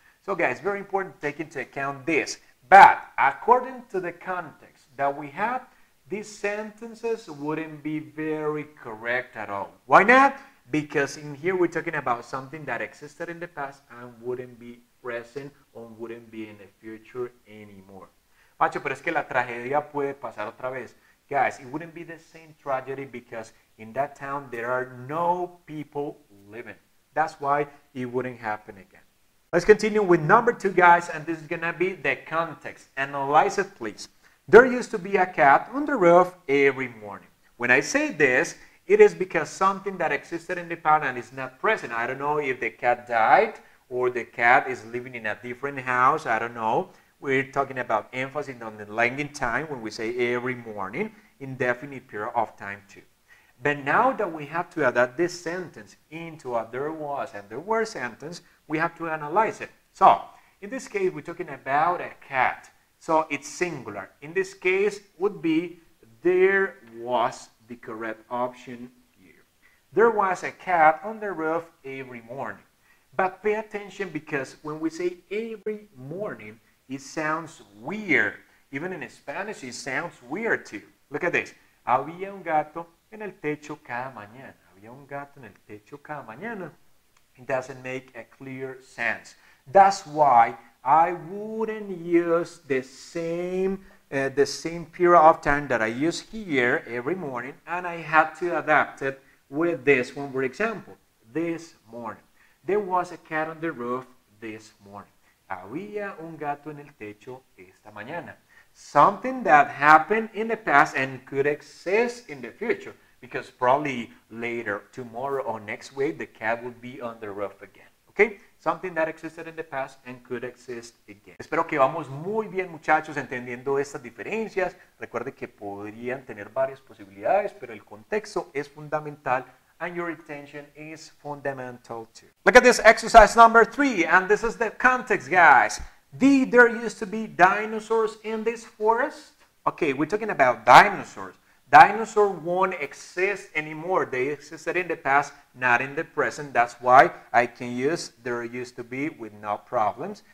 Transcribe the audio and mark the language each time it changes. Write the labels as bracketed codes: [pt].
[en] So guys, very important to take into account this. But according to the context that we have, these sentences wouldn't be very correct at all. Why not? Because in here we're talking about something that existed in the past and wouldn't be present or wouldn't be in the future anymore. [es] Pacho, pero es que la tragedia puede pasar otra vez. [en] Guys, it wouldn't be the same tragedy because in that town there are no people living. That's why it wouldn't happen again. Let's continue with number two, guys, and this is going to be the context. Analyze it, please. There used to be a cat on the roof every morning. When I say this, it is because something that existed in the past and is not present. I don't know if the cat died or the cat is living in a different house. I don't know. We're talking about emphasis on the lagging time when we say every morning, indefinite period of time too. But now that we have to adapt this sentence into a there was and there were sentence, we have to analyze it. So, in this case, we're talking about a cat. So, it's singular. In this case, would be there was the correct option here. There was a cat on the roof every morning. But pay attention because when we say every morning, it sounds weird. Even in Spanish, it sounds weird too. Look at this. [es] Había un gato en el techo cada mañana. Había un gato en el techo cada mañana. [en] It doesn't make a clear sense. That's why I wouldn't use the same period of time that I use here every morning, and I had to adapt it with this one. For example, this morning. There was a cat on the roof this morning. [es] Había un gato en el techo esta mañana. [en] Something that happened in the past and could exist in the future, because probably later, tomorrow or next week, the cat would be on the roof again. Okay? Something that existed in the past and could exist again. [es] Espero que vamos muy bien, muchachos, entendiendo estas diferencias. Recuerde que podrían tener varias posibilidades, pero el contexto es fundamental. [en] And your attention is fundamental too. Look at this exercise number three, and this is the context, guys. Did there used to be dinosaurs in this forest? Okay, we're talking about dinosaurs. Dinosaurs won't exist anymore. They existed in the past, not in the present. That's why I can use there used to be with no problems.